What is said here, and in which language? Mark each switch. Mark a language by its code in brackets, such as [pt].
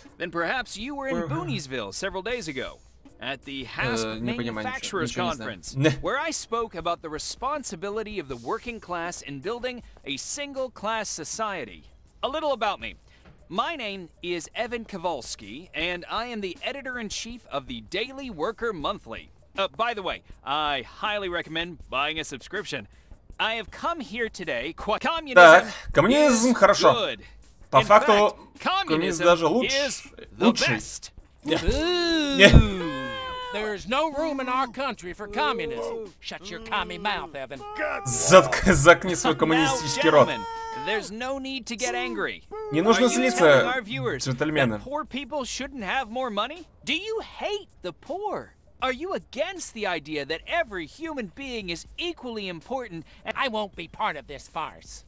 [en] Then perhaps you were in Booniesville several days ago, at the Hasp Manufacturers Conference, where I spoke about the responsibility of the working class in building a single class society. A little about me. My name is Evan Kowalski, and I am the editor in chief of the Daily Worker Monthly. By the way, I highly recommend buying a subscription. I have come here today. Communism is [ru] хорошо. [en] Good. [ru] По факту, коммунизм даже лучше. [en] Is the best. There is no room in our country for communism. Shut your commie mouth, Evan. [ru] Заткни свой коммунистический рот. [en] There's no need to get angry. [ru] Не нужно злиться, джентльмены. [en] Poor people shouldn't have more money? Do you hate the poor? Are you against the idea that every human being is equally important and I won't be part of this farce?